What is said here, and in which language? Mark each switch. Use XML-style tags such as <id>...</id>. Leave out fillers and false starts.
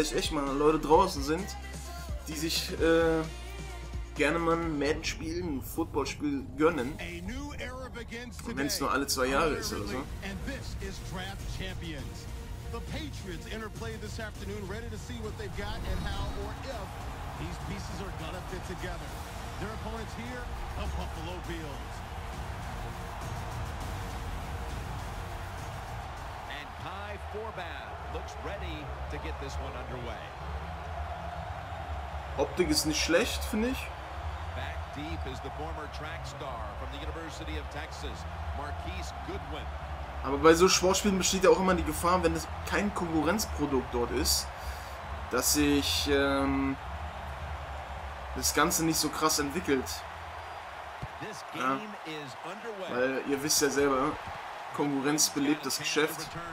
<de>mal Leute draußen sind, die sich gerne mal ein Madden-Spiel, ein Football-Spiel gönnen. Und wenn es nur alle zwei Jahre ist oder so.</de> <en>And this is Draft Champions. The Patriots interplay this afternoon, ready to see what they've got and how or if these pieces are gonna fit together. Their opponents here, the Buffalo Bills. And Kai Forbath looks ready to get this one underway.</en> <de>Optik ist nicht schlecht, finde ich.</de> <en>Back deep is the former track star from the University of Texas, Marquise Goodwin.</en> <de>Aber bei so Sportspielen besteht ja auch immer die Gefahr, wenn es kein Konkurrenzprodukt dort ist, dass sich das Ganze nicht so krass entwickelt. Ja. Weil ihr wisst ja selber, Konkurrenz belebt das Geschäft.</de>